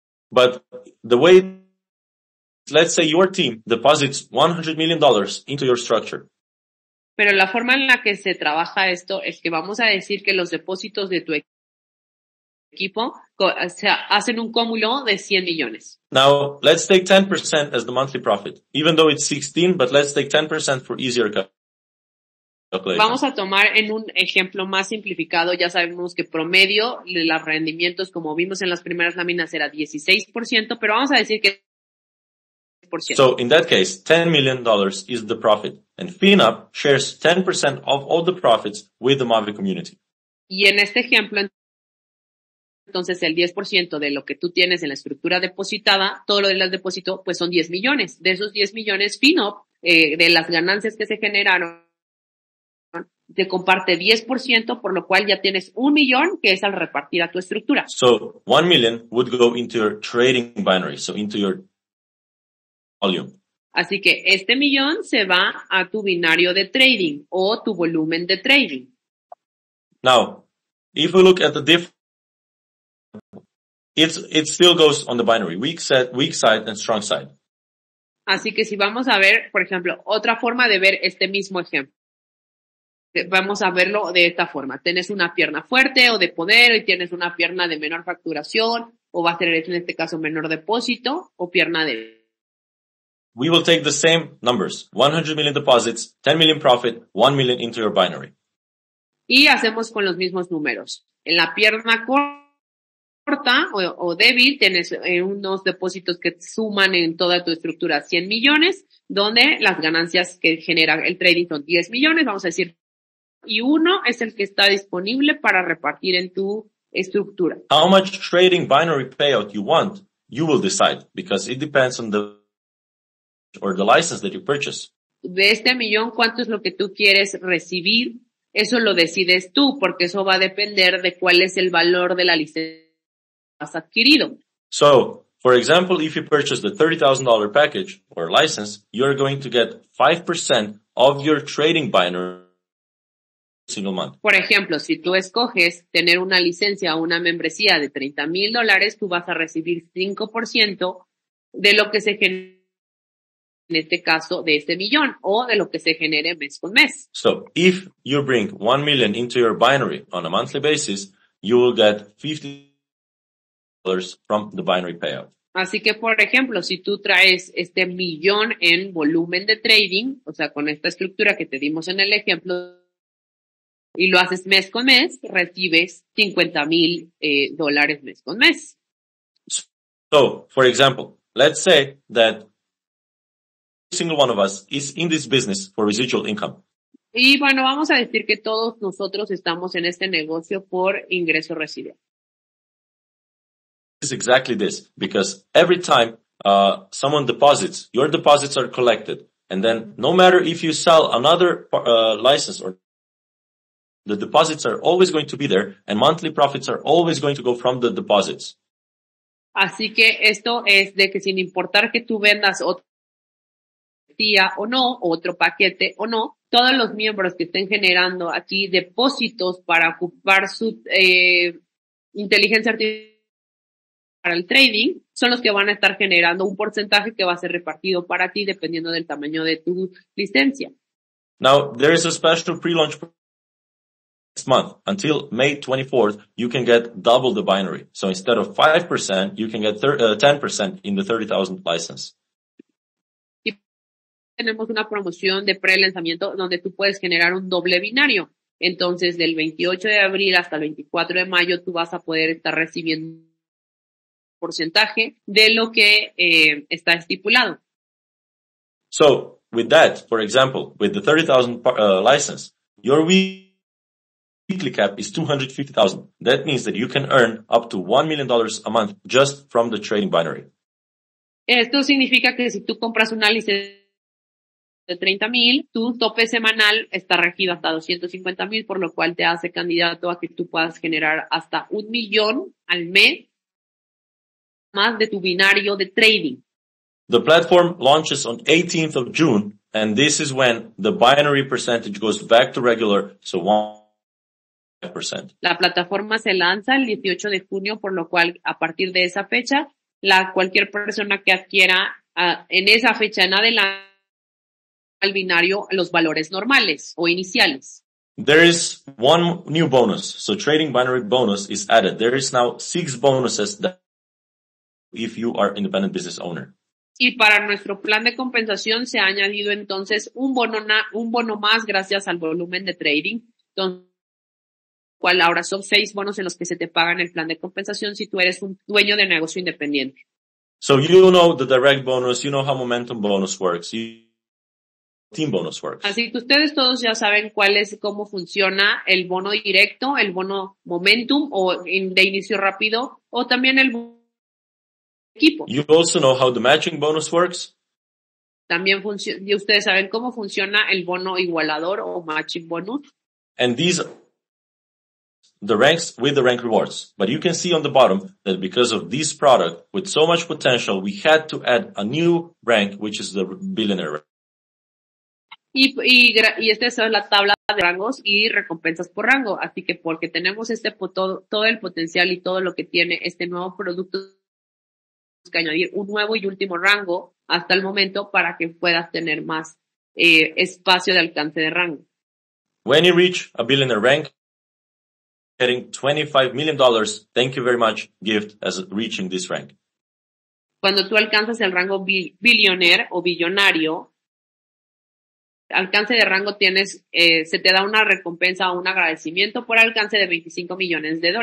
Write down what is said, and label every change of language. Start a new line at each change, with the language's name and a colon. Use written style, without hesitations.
English: But the way, let's say your team deposits $100 million into your structure.
Spanish: Pero la forma en la que se trabaja esto es que vamos a decir que los depósitos de tu equipo hacen un cúmulo de 100 millones.
English: Now, let's take 10% as the monthly profit. Even though it's 16, but let's take 10% for easier calculation.
Spanish: Vamos a tomar en un ejemplo más simplificado. Ya sabemos que promedio de los rendimientos, como vimos en las primeras láminas, era 16%, pero vamos a decir que...
English: So, in that case, $10 million is the profit. And FinUp shares 10% of all the profits with the Mavi community.
Spanish: Y en este ejemplo, entonces el 10% de lo que tú tienes en la estructura depositada, todo lo del depósito, pues son 10 millones. De esos 10 millones, FinUp, de las ganancias que se generaron, te comparte 10%, por lo cual ya tienes 1 millón, que es al repartir a tu estructura.
English: So, 1 million would go into your trading binary, so into your volume.
Spanish: Así que este millón se va a tu binario de trading o tu volumen de trading.
English: Now, if we look at the it still goes on the binary, weak side and strong side.
Spanish: Así que si vamos a ver, por ejemplo, otra forma de ver este mismo ejemplo. Vamos a verlo de esta forma. Tienes una pierna fuerte o de poder y tienes una pierna de menor facturación o va a tener en este caso menor depósito o pierna de...
English: We will take the same numbers. 100 million deposits, 10 million profit, 1 million into your binary.
Spanish: Y hacemos con los mismos números. En la pierna corta o débil, tienes unos depósitos que suman en toda tu estructura 100 millones, donde las ganancias que genera el trading son 10 millones, vamos a decir. Y uno es el que está disponible para repartir en tu estructura.
English: How much trading binary payout you want, you will decide, because it depends on the... or the license that you purchase.
Spanish: De este millón, ¿cuánto es lo que tú quieres recibir? Eso lo decides tú, porque eso va a depender de cuál es el valor de la licencia que has adquirido.
English: So, for example, if you purchase the $30,000 package or license, you're going to get 5% of your trading binary single month.
Spanish: Por ejemplo, si tú escoges tener una licencia o una membresía de $30,000, tú vas a recibir 5% de lo que se genera en este caso de este millón o de lo que se genere mes con mes.
English: So, if you bring 1 million into your binary on a monthly basis, you will get $50 from the binary payout.
Spanish: Así que, por ejemplo, si tú traes este millón en volumen de trading, o sea, con esta estructura que te dimos en el ejemplo, y lo haces mes con mes, recibes $50,000 mes con mes.
English: So, for example, let's say that single one of us is in this business for residual income.
Spanish: Y bueno, vamos a decir que todos nosotros estamos en este negocio por ingreso residual.
English: It's exactly this, because every time someone deposits, your deposits are collected, and then no matter if you sell another license or the deposits are always going to be there, and monthly profits are always going to go from the deposits.
Spanish: Así que esto es de que sin importar que tú vendas otro día o no, otro paquete o no, todos los miembros que estén generando aquí depósitos para ocupar su inteligencia artificial para el trading, son los que van a estar generando un porcentaje que va a ser repartido para ti dependiendo del tamaño de tu licencia.
English: Now, there is a special pre-launch next month. Until May 24th, you can get double the binary. So instead of 5%, you can get 10% in the 30,000 license.
Spanish: Tenemos una promoción de pre-lanzamiento donde tú puedes generar un doble binario. Entonces, del 28 de abril hasta el 24 de mayo, tú vas a poder estar recibiendo un porcentaje de lo que está estipulado.
English: So, with that, for example, with the 30,000 license, your weekly cap is 250,000. That means that you can earn up to $1 million a month just from the trading binary.
Spanish: Esto significa que si tú compras una licencia de 30,000, tu tope semanal está regido hasta 250,000, por lo cual te hace candidato a que tú puedas generar hasta un millón al mes más de tu binario de trading.
English: The platform launches on 18th of June, and this is when the binary percentage goes back to regular, so 1%.
Spanish: La plataforma se lanza el 18 de junio, por lo cual a partir de esa fecha, la cualquier persona que adquiera en esa fecha en adelante al binario los valores normales o iniciales.
English: There is one new bonus, so trading binary bonus is added. There is now 6 bonuses that if you are independent business owner.
Spanish: Y para nuestro plan de compensación se ha añadido entonces un bono más gracias al volumen de trading, cual ahora son 6 bonos en los que se te pagan el plan de compensación si tú eres un dueño de negocio independiente.
English: So you know the direct bonus, you know how momentum bonus works, team bonus works.
Spanish: Así que ustedes todos ya saben cómo funciona el bono directo, el bono momentum o de inicio rápido, o también el bono equipo.
English: You also know how the matching bonus works.
Spanish: También y ustedes saben cómo funciona el bono igualador o matching bonus.
English: And these the ranks with the rank rewards. But you can see on the bottom that because of this product with so much potential, we had to add a new rank, which is the billionaire rank.
Spanish: Y esta es la tabla de rangos y recompensas por rango. Así que porque tenemos todo el potencial y todo lo que tiene este nuevo producto, que añadir un nuevo y último rango hasta el momento para que puedas tener más espacio de alcance de rango.
English: When you reach a billionaire rank, getting $25 million, thank you very much, gift, as reaching this rank.
Spanish: Cuando tú alcanzas el rango billionaire o billonario, alcance de rango tienes, se te da una recompensa o un agradecimiento por alcance de $25 millones.